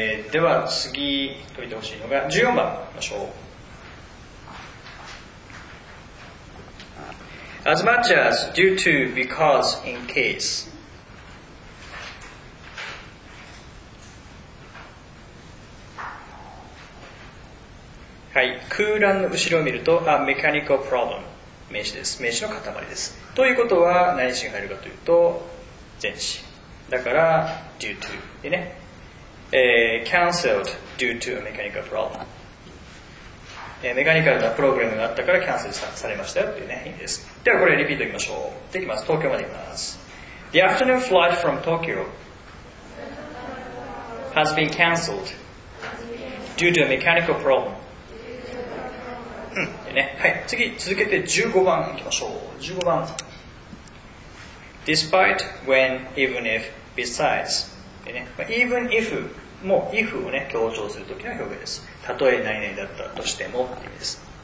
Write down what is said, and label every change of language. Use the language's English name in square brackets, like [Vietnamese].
[Japanese] では次解いてほしいのが14番の章。 [English] As much as, due to, because, in case. [Japanese] はい、空欄の後ろを見ると、 a mechanical problem. 名詞です。名詞の塊です。ということは、何詞が入るかというと、前詞。 [English] だから、 due to. でね。 cancelled due to a mechanical problem. [Japanese] メカニカルなプログラムがあったからキャンセルされましたよっていうね、意味です。ではこれリピートいきましょう。でいきます。東京まで行きます。 [English] The afternoon flight from Tokyo has been cancelled due to a mechanical problem. [Japanese] でね、はい。次、続けて15番いきましょう。 [English] 15番。 Despite, when, even if, besides. [Japanese] でね、まあ、even if も if をね、強調するときの表現です。たとえ何々だったとしてもって意味です。